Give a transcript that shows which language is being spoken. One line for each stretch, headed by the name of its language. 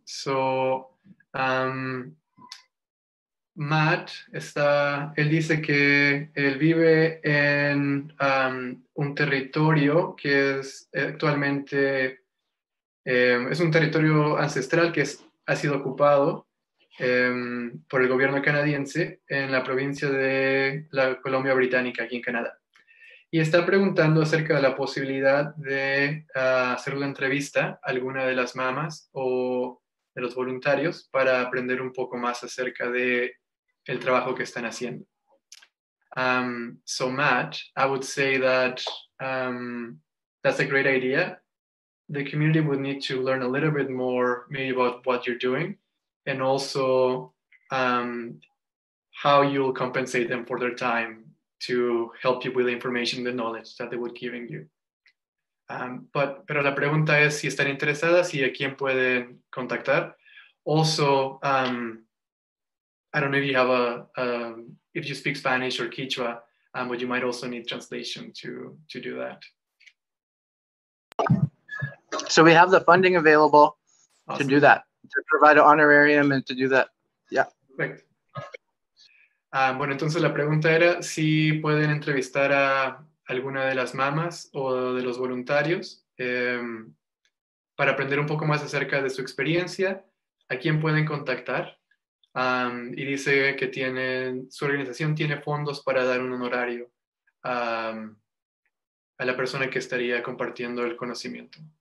Spanish: So Matt está, él dice que él vive en un territorio que es actualmente, es un territorio ancestral que ha sido ocupado por el gobierno canadiense en la provincia de la Columbia Británica, aquí en Canadá. Y está preguntando acerca de la posibilidad de hacer la entrevista a alguna de las mamás o de los voluntarios para aprender un poco más acerca de el trabajo que están haciendo.
English: So Matt, I would say that that's a great idea. The community would need to learn a little bit more maybe about what you're doing and also how you'll compensate them for their time to help you with the information, the knowledge that they would be giving you.
Spanish: Pero la pregunta es si están interesadas y a quién pueden contactar.
English: Also, I don't know if you have if you speak Spanish or Quechua, but you might also need translation to do that. So we have the funding available. Awesome. To do that, to provide an honorarium and to do that. Yeah. Perfect.
Spanish: Bueno, entonces la pregunta era si pueden entrevistar a alguna de las mamás o de los voluntarios para aprender un poco más acerca de su experiencia, a quién pueden contactar. Y dice que su organización tiene fondos para dar un honorario a la persona que estaría compartiendo el conocimiento.